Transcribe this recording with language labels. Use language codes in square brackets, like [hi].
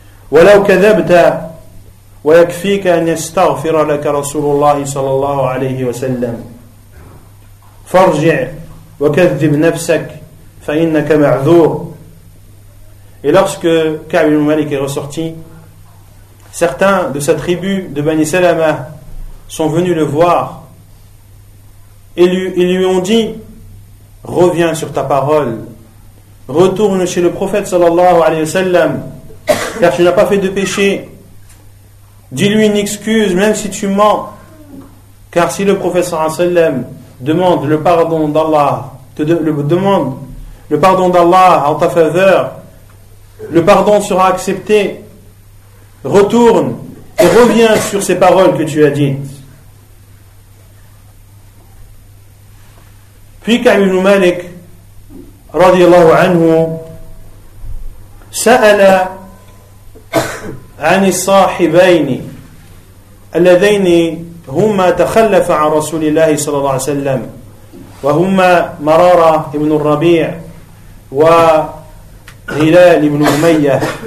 [ar] ولو كذبت ويكفيك أن يستغفر لك رسول الله صلى الله عليه وسلم فارجع وكذب نفسك فإنك معذور. [fr] Et lorsque Ka'b ibn Malik est ressorti, certains de sa tribu de Bani Salama sont venus le voir et ils lui ont dit: reviens sur ta parole, retourne chez le prophète sallallahu alayhi wa sallam, car tu n'as pas fait de péché. Dis-lui une excuse, même si tu mens, car si le prophète sallallahu alayhi wa sallam demande le pardon d'Allah, demande le pardon d'Allah en ta faveur, le pardon sera accepté. Retourne et reviens sur ces paroles que tu as dites. Puis [ar] Ka'b ibn Malik radiallahu anhu sa'ala عن الصاحبين اللذين هما تخلف عن رسول الله صلى الله عليه وسلم وهما مرارة ابن الربيع وهلال ابن أمية